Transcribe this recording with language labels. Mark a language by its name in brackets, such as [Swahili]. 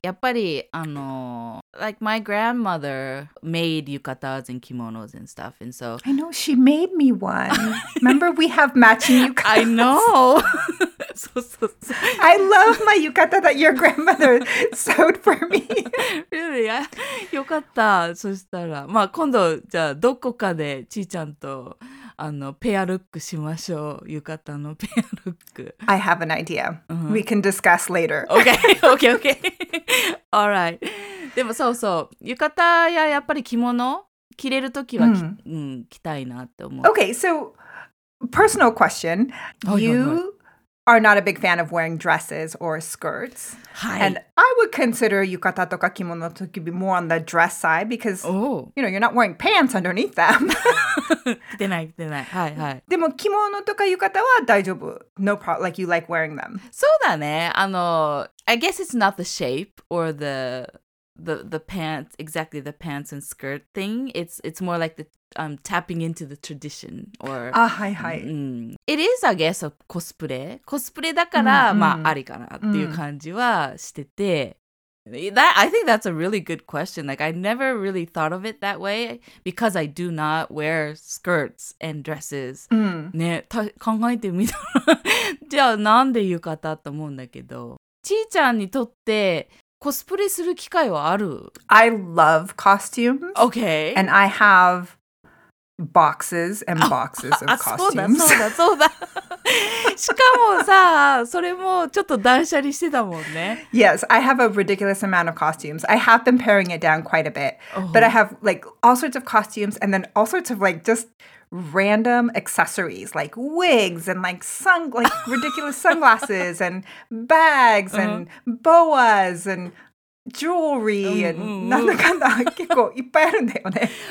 [Japanese] やっぱり、 [English] like, my grandmother made yukatas and kimonos and stuff, and so... I know, she made me one. Remember, we have matching yukatas. I know! [Japanese] そうそうそう。 [English] I love my yukata that your grandmother sewed for me. really? [Japanese] よかった。そしたら、まあ今度じゃあどこかでちーちゃんとあのペアルックしましょう。浴衣のペアルック。 [English] I have an idea. We can discuss later. okay, okay, okay. All right. [Japanese] でもそうそう。浴衣ややっぱり着物着れるときは、着たいなって思う。 [English] Okay, so personal question. You are not a big fan of wearing dresses or skirts. [Japanese] はい。 [English] And I would consider [Japanese] 浴衣とか着物 [English] to be more on the dress side because, you know, you're not wearing pants underneath them. [Japanese] 着てない、着てない。はい、はい。でも着物とか浴衣は大丈夫。 [English] No problem. Like, you like wearing them. [Japanese] そうだね。 [English] あの、I guess it's not the shape or the... The pants, exactly the pants and skirt thing. It's more like the tapping into the tradition or It is, I guess, a cosplay. [Japanese] Cosplay だから、まあ、ありかなっていう感じはしてて。 [English] That, I think that's a really good question. Like, I never really thought of it that way because I do not wear skirts and dresses. [Japanese] ね、考えてみたら。じゃあなんで浴衣と思うんだけど。ちーちゃんにとって、コスプレする機会はある? [English] I love costumes. Okay. And I have boxes and boxes of costumes. [Japanese] そうだ、そうだ。しかもさ、それもちょっと断捨離してたもんね。 [English] Yes, I have a ridiculous amount of costumes. I have been paring it down quite a bit. But I have like all sorts of costumes and then all sorts of like just... random accessories like wigs and like like ridiculous sunglasses and bags and boas and jewelry and [Japanese] なんだかんだ結構いっぱいあるんだよね。